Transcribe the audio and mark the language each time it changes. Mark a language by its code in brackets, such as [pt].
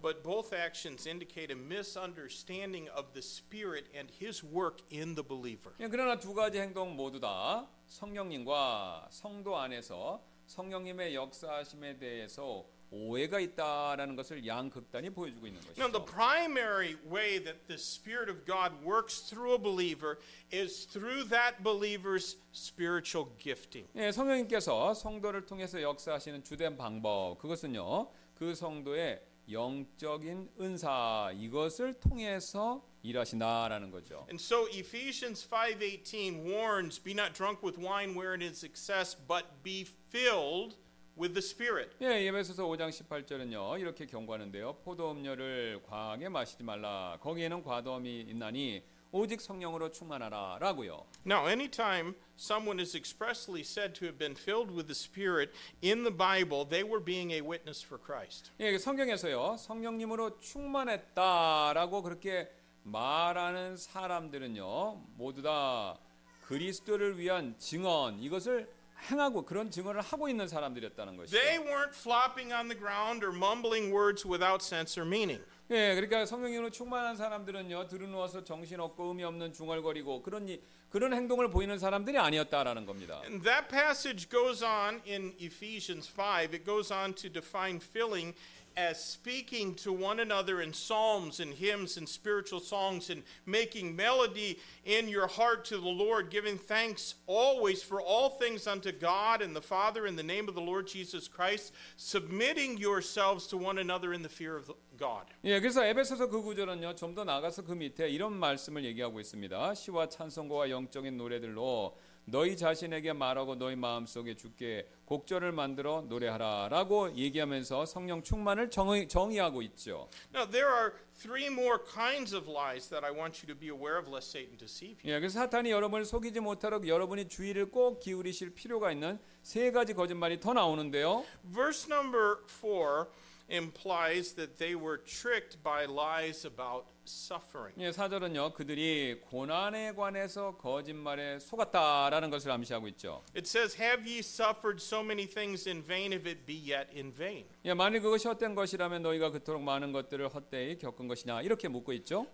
[en] But both actions indicate a misunderstanding of the Spirit and His work in the believer. [ko] 그러나 두 가지 행동 모두 다 성령님과 성도 안에서 성령님의 역사하심에 대해서 오해가 있다라는 것을 양극단이 보여주고 있는 것이죠. [en] Now the primary way that the Spirit of God works through a believer is through that believer's spiritual gifting. [ko] 예, 성령님께서 성도를 통해서 역사하시는 주된 방법 그것은요 그 성도의 영적인 은사 이것을 통해서 일하신다라는 거죠. [en] And so Ephesians 5:18 warns, "Be not drunk with wine, wherein is excess, but be filled." with the spirit. [ko] 예, 에베소서 5장 18절은요. 이렇게 경고하는데요. 포도 음료를 과하게 마시지 말라. 거기에는 과도함이 있나니 오직 성령으로 충만하라라고요. [en] Now anytime someone is expressly said to have been filled with the spirit in the Bible, they were being a witness for Christ. [ko] 예, 성경에서요. 성령님으로 충만했다라고 그렇게 말하는 사람들은요. 모두 다 그리스도를 위한 증언 이것을 행하고 그런 증언을 하고 있는 사람들이었다는 것이죠. [en] They weren't flopping on the ground or mumbling words without sense or meaning. [ko] 예, 그러니까 성령님으로 충만한 사람들은요, 드러누워서 정신없고 의미 없는 중얼거리고 그런 행동을 보이는 사람들이 아니었다라는 겁니다. [en] And that passage goes on in Ephesians 5. It goes on to define filling as speaking to one another in psalms and hymns and spiritual songs and making melody in your heart to the Lord, giving thanks always for all things unto God and the Father in the name of the Lord Jesus Christ, submitting yourselves to one another in the fear of God. [ko] 예, 그래서 에베소서 그 구절은요, 좀 더 나가서 그 밑에 이런 말씀을 얘기하고 있습니다. 시와 찬송과 영적인 노래들로 너희 자신에게 말하고 너희 마음속에 주께 곡절을 만들어 노래하라 라고 얘기하면서 성령 충만을 정의하고 있죠. [en] Now there are three more kinds of lies that I want you to be aware of lest Satan deceive you. [ko] 예, 그래서 사탄이 여러분을 속이지 못하도록 여러분이 주의를 꼭 기울이실 필요가 있는 세 가지 거짓말이 더 나오는데요. [en] Verse number 4 implies that they were tricked by lies about suffering. [ko] 예, 4절은요, 그들이 고난에 관해서 거짓말에 속았다라는 것을 암시하고 있죠. [en] It says, "Have ye suffered so many things in vain, if it be yet in vain?" [ko] 예, 만일 그것이 헛된 것이라면 너희가 그토록 많은 것들을 헛되이 겪은 것이냐 이렇게 묻고 있죠.